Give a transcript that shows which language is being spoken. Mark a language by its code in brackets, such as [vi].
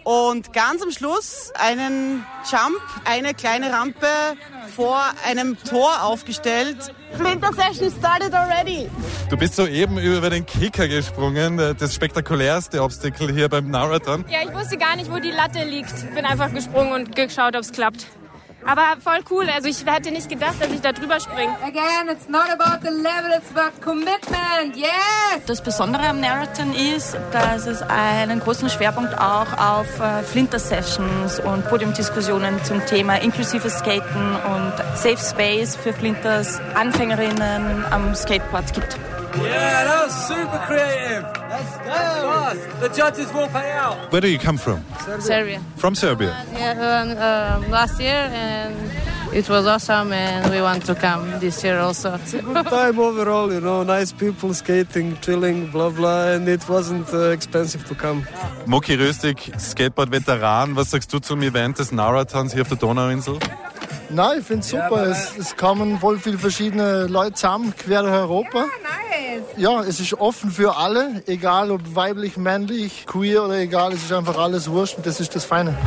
[de] Und ganz am Schluss einen Jump, eine kleine Rampe vor einem Tor aufgestellt. [en] Flinter Session started already. [de] Du bist soeben über den Kicker gesprungen, das spektakulärste Obstacle hier beim Marathon. Ja, ich wusste gar nicht, wo die Latte liegt. Bin einfach gesprungen und geschaut, ob es klappt. Aber voll cool, also ich hätte nicht gedacht, dass ich da drüber springe. [en] Again, it's not about the level, it's about commitment, yes! [de] Das Besondere am Marathon ist, dass es einen großen Schwerpunkt auch auf Flinter-Sessions und Podiumdiskussionen zum Thema inklusives Skaten und Safe Space für Flinters Anfängerinnen am Skateboard gibt. [en] Yeah, that was super creative. Let's go. That's fast. The judges will pay out. Where do you come from? Serbia. From Serbia? Yeah, last year, and it was awesome, and we want to come this year also. It's a good time overall, you know, nice people skating, chilling, blah, blah, and it wasn't expensive to come. [de] Mucki Röstig, Skateboard-Veteran, was sagst du zum Event des Narathons hier auf der Donauinsel? Nein, ich finde es super. Es kommen voll viele verschiedene Leute zusammen, quer durch Europa. Ja, es ist offen für alle, egal ob weiblich, männlich, queer oder egal, es ist einfach alles wurscht und das ist das Feine.